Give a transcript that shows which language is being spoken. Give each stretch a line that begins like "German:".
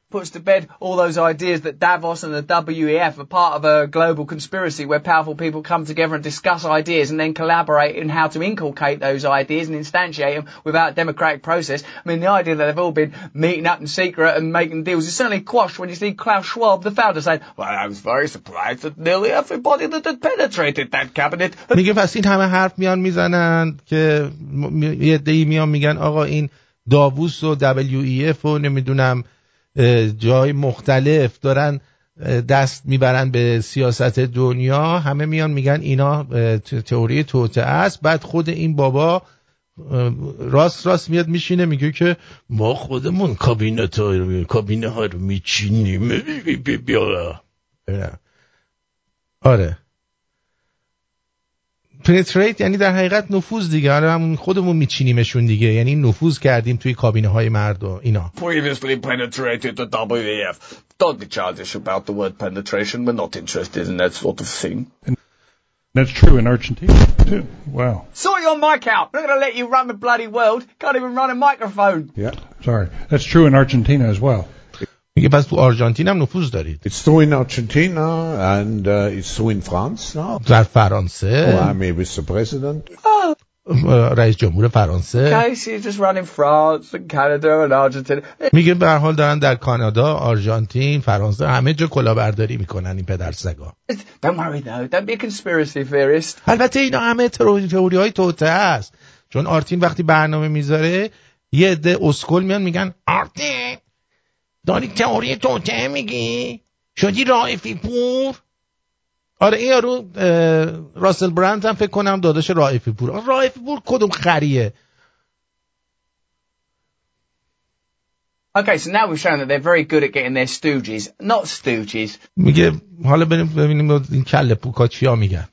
English: puts to bed all those ideas that Davos and the WEF are part of a global conspiracy where powerful people come together and discuss ideas and then collaborate in how to inculcate those ideas and instantiate them without democratic process. I mean, the idea that they've all been meeting up in secret and making deals is certainly quashed when you see Klaus Schwab, the founder, saying, well, I was very surprised that nearly everybody that had penetrated that cabinet...
Persian: میگه پس این همه حرف میان میزنن که یه دهی میان میگن آقا این داووس و WEF و نمیدونم جای مختلف دارن دست میبرن به سیاست دنیا همه میان میگن اینا تئوری توته است بعد خود این بابا راست میاد میشینه میگه که ما خودمون کابینه ها رو میچینیم بیا آره پنتریت یعنی در حقیقت نفوذ دیگه، حالا همون خودمون میچینیمشون دیگه، یعنی نفوذ کردیم توی کابینه های مرد و اینا.
English: Previously penetrated the WEF. Don't be childish about the word penetration. We're not interested in that sort of thing. That's true in Argentina too. Wow. Sort your mic out. I'm not going to let you run the bloody world. Can't even run a microphone. Yeah. Sorry. That's true in Argentina as well.
Persian: میگه پس تو آرژانتین هم نفوذ دارید.
English: It's true in Argentina and it's true in France now.
Persian: در فرانسه.
English: Oh, I'm a vice-president.
Persian: رئیس جمهور فرانسه.
English: Casey is just running France and Canada and Argentina.
Persian: میگه به هر حال دارن در کانادا، آرژانتین، فرانسه همه جا کلاهبرداری میکنن این پدر سگا.
English: Don't worry though. Don't be a conspiracy theorist.
Persian: البته اینا همه تئوری های توته است. چون آرتین وقتی برنامه میذاره یه عده اسکل میان میگن آرتین داری تئوری توته میگی؟ شدی رائفی پور؟ آره این یارو راسل برانت هم فکر کنم داداش رائفی پور. رائفی پور کدوم خریه؟
English: Okay, so now we've shown that they're very good at getting their stooges, not stooges.
Persian: میگه حالا ببینیم این کله پوکا چیا میگن.